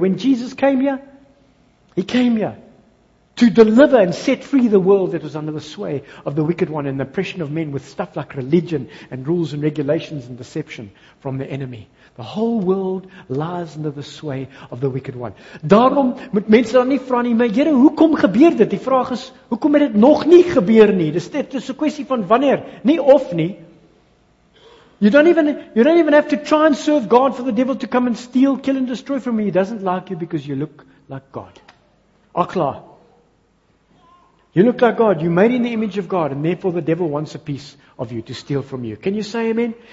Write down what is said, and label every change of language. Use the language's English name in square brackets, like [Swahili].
[English] When Jesus came here, he came here to deliver and set free the world that was under the sway of the wicked one and the oppression of men with stuff like religion and rules and regulations and deception from the enemy. The whole world lies under the sway of the wicked one. [Afrikaans] Daarom moet mense dan nie vra nie, maar Here, hoekom gebeur dit? Die vraag is, hoekom het dit nog nie gebeur nie? Dis 'n kwessie van wanneer, nie of nie. [English] You don't even have to try and serve God for the devil to come and steal, kill and destroy from you. He doesn't like you because you look like God. Akla. You look like God. You're made in the image of God, and therefore the devil wants a piece of you to steal from you. Can you say amen?